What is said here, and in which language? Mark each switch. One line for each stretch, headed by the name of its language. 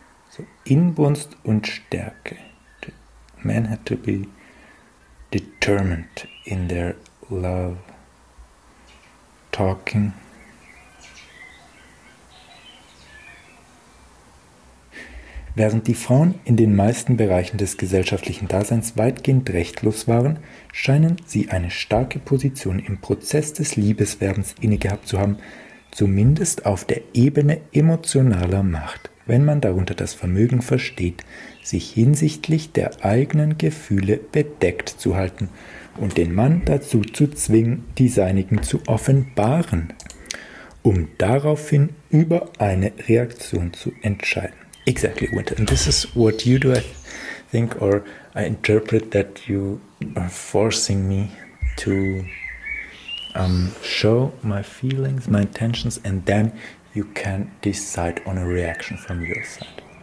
German: So Inbrunst und Stärke.
English: Man had to be determined in their love talking.
German: Während die Frauen in den meisten Bereichen des gesellschaftlichen Daseins weitgehend rechtlos waren, scheinen sie eine starke Position im Prozess des Liebeswerbens innegehabt zu haben, zumindest auf der Ebene emotionaler Macht, wenn man darunter das Vermögen versteht, sich hinsichtlich der eigenen Gefühle bedeckt zu halten und den Mann dazu zu zwingen, die seinigen zu offenbaren, um daraufhin über eine Reaktion zu entscheiden.
English: Exactly, Winter. And this is what you do, I think, or I interpret that you are forcing me to show my feelings, my intentions, and then you can decide on a reaction from your side.